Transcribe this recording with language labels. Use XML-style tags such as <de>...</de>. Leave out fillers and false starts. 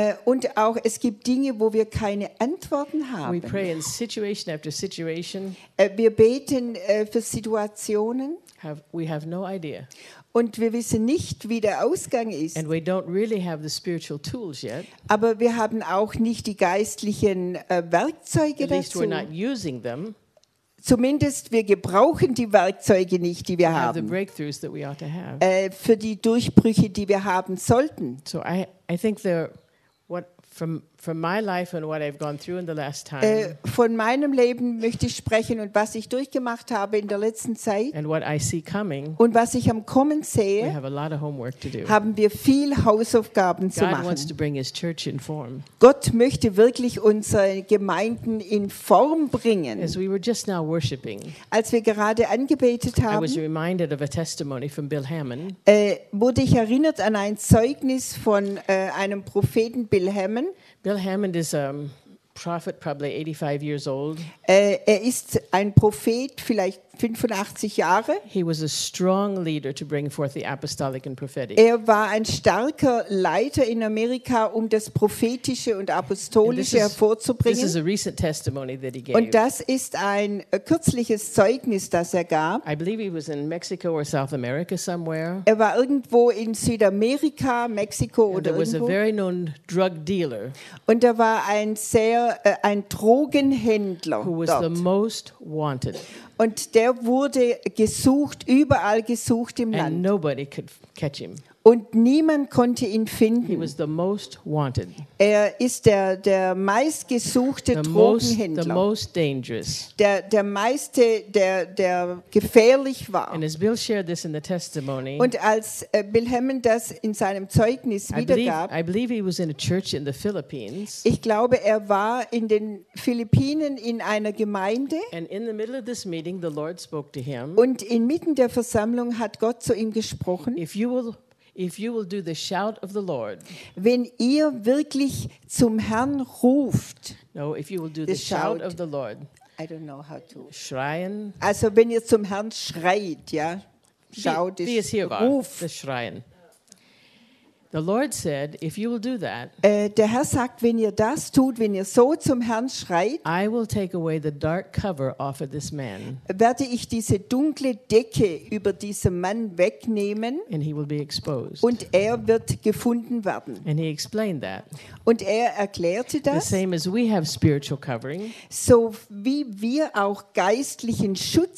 <de>Und auch es gibt Dinge, wo wir keine Antworten haben.</de> <en>We pray in situation after situation.</en> <de>Wir beten für Situationen.</de> <en>We have no idea.</en> <de>Und wir wissen nicht, wie der Ausgang ist.</de> <en>And we don't really have the spiritual tools yet.</en> <de>Aber wir haben auch nicht die geistlichen Werkzeuge dazu.</de> <en>At least</en> <de>dazu.</de> <en>We're not using them.</en> <de>Zumindest wir gebrauchen die Werkzeuge nicht, die wir haben.</de> <en>The breakthroughs that we ought to have.</en> <de>Für die Durchbrüche, die wir haben sollten.</de> <en>So I think there what from my life and what I've gone through in the last time.</en> <de>Von meinem Leben möchte ich sprechen und was ich durchgemacht habe in der letzten Zeit.</de> <en>And what I see coming.</en> <de>Und was ich am Kommen sehe.</de> <en>We have a lot of homework to do.</en> <de>Haben wir viel Hausaufgaben</de> <en>God</en> <de>zu machen.</de> <en>God wants to bring His church in form.</en> <de>Gott möchte wirklich unsere Gemeinden in Form bringen.</de> <en>As we were just now worshiping.</en> <de>Als wir gerade angebetet haben.</de> <en>I was reminded of a testimony from Bill Hammond.</en> <de>Wurde ich erinnert an ein Zeugnis von einem Propheten Bill Hammond.</de> <en>Bill Hammond is a prophet, probably 85 years old.</en> <de>Er ist ein Prophet, vielleicht 85 Jahre.</de> <en>He was a strong leader to bring forth the apostolic and prophetic.</en> <de>Er war ein starker Leiter in Amerika, um das prophetische und apostolische hervorzubringen.</de> <en>This is a recent testimony that he gave.</en> <de>Und das ist ein kürzliches Zeugnis, das er gab.</de> <en>I believe he was in Mexico or South America somewhere.</en> <de>Er war irgendwo in Südamerika, Mexiko</de> <en>and</en> <de>oder irgendwo.</de> <en>There was a very known drug dealer.</en> <de>Und er war ein sehr ein Drogenhändler.</de> <en>Who was</en> <de>dort.</de> <en>The most wanted.</en> <de>Und der wurde gesucht, überall gesucht im</de> <en>And</en> <de>Land.</de> <en>Nobody could catch him.</en> <de>Und niemand konnte ihn finden.</de> <en>He was the most wanted.</en> <de>Er ist der meistgesuchte Drogenhändler.</de> <en>The most dangerous.</en> <de>Der meiste, der gefährlich war.</de> <en>And as Bill shared this in the testimony,</en> <de>und als Bill Hammond das in seinem Zeugnis wiedergab,</de> <en>I believe he was in a church in the Philippines.</en> <de>Ich glaube, er war in den Philippinen in einer Gemeinde.</de> <en>And in the middle of this meeting, the Lord spoke to him.</en> <de>Und inmitten der Versammlung hat Gott zu ihm gesprochen.</de> <en>If you will do the shout of the Lord,</en> <de>wenn ihr wirklich zum Herrn ruft,</de> <en>no, if you will do the shout of the Lord, I don't know how to</en> <de>schreien. Also wenn ihr zum Herrn schreit, ja, schaut, wie es hier ruft, war, das Schreien.</de> <en>The Lord said, if you will do that,</en> <de>der Herr sagt, wenn ihr das tut, wenn ihr so zum Herrn schreit,</de> <en>I will take away the dark cover off of this man.</en> <de>Werde ich diese dunkle Decke über diesen Mann wegnehmen,</de> <en>and he will be exposed.</en> <de>Und er wird gefunden werden.</de> <en>And he explained that.</en> <de>Und er erklärte das.</de> <en>The same as we have spiritual covering.</en> <de>So wie wir auch geistlichen Schutz</de>